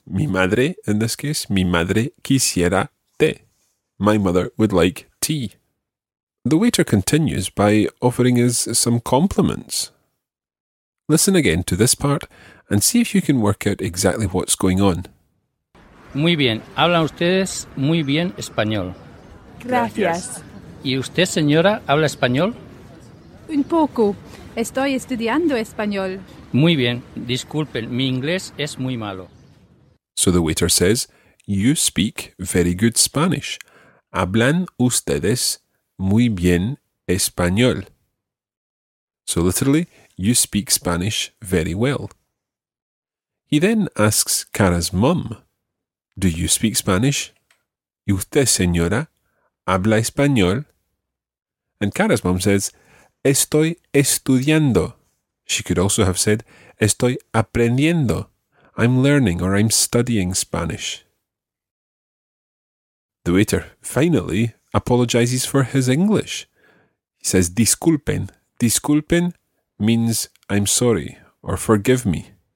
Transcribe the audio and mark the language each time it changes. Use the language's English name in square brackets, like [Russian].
[Spanish] Mi madre, [English] in this case, [Spanish] mi madre quisiera té. [English] My mother would like tea. The waiter continues by offering us some compliments. Listen again to this part and see if you can work out exactly what's going on. [Spanish] Muy bien. Hablan ustedes muy bien español. Gracias. ¿Y usted, señora, habla español? Un poco. Estoy estudiando español. Muy bien. Disculpen, mi inglés es muy malo. [English] So the waiter says, you speak very good Spanish. [Spanish] Hablan ustedes muy bien español. [English] So literally, you speak Spanish very well. He then asks Cara's mum, do you speak Spanish? [Spanish] ¿Y usted, señora, habla español? [English] And Cara's mum says, [Spanish] estoy estudiando. [English] She could also have said, [Spanish] estoy aprendiendo. [English] I'm learning or I'm studying Spanish. The waiter finally apologizes for his English. He says, disculpen. Disculpen means I'm sorry or forgive me.